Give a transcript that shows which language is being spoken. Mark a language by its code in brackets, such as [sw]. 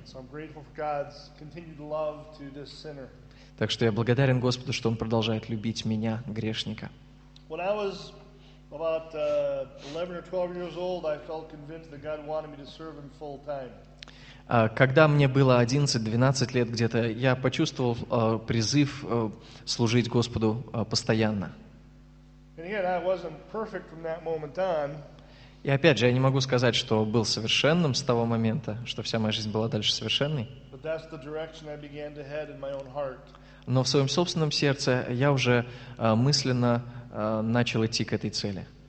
[en] So I'm grateful for God's continued love to this sinner. [ru] Так что я благодарен Господу, что Он продолжает любить меня, грешника. [en] When I was about 11 or 12 years old, I felt convinced that God wanted me to serve Him full time. [ru] Когда мне было 11-12 лет где-то, я почувствовал призыв служить Господу постоянно. [en] And again, I wasn't perfect from that moment on. [ru] И опять же, я не могу сказать, что был совершенным с того момента, что вся моя жизнь была дальше совершенной. Но в своем собственном сердце я уже мысленно начал идти к этой цели.